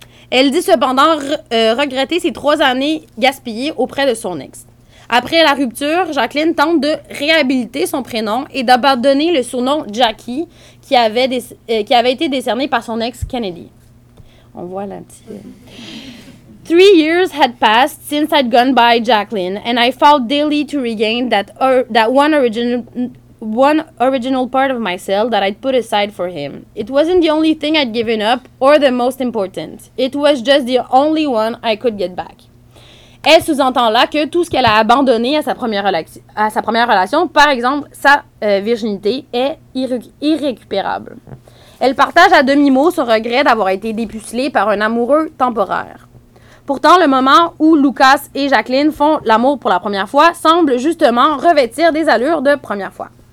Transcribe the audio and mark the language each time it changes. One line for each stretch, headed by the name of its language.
French: Elle dit cependant regretter ses trois années gaspillées auprès de son ex. Après la rupture, Jacqueline tente de réhabiliter son prénom et d'abandonner le surnom Jackie qui avait été décerné par son ex Kennedy. On voit la petite...
English: 3 years had passed since I'd gone by Jacqueline and I fought daily to regain that one original part of myself that I'd put aside for him. It wasn't the only thing I'd given up or the most important. It was just the only one I could get back.
French: Elle sous-entend là que tout ce qu'elle a abandonné à sa première relation, par exemple sa virginité, est irrécupérable. Elle partage à demi-mot son regret d'avoir été dépucelée par un amoureux temporaire. Pourtant, le moment où Lucas et Jacqueline font l'amour pour la première fois semble justement revêtir des allures de première fois.